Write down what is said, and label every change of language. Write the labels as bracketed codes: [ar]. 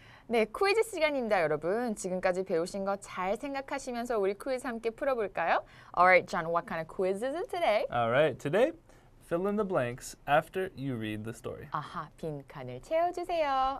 [ko] 네, 퀴즈 시간입니다, 여러분. 지금까지 배우신 거 잘 생각하시면서 우리 퀴즈 함께 풀어볼까요? [en] Alright, John, what kind of quiz is it today? Alright, today, fill in the blanks after you read the story. [ko] 아하, 빈칸을 채워주세요.